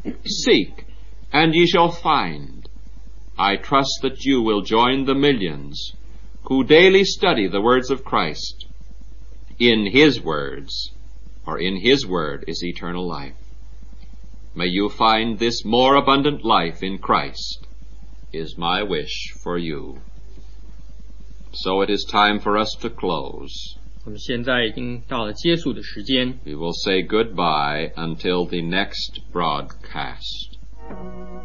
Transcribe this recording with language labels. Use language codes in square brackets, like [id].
[en] Seek, and ye shall find. I trust that you will join the millions who daily study the words of Christ. In His words, or in His word, is eternal life. May you find this more abundant life in Christ, is my wish for you. So it is time for us to close. [zh] 我们现在已经到了结束的时间。 [en] We will say goodbye until the next broadcast.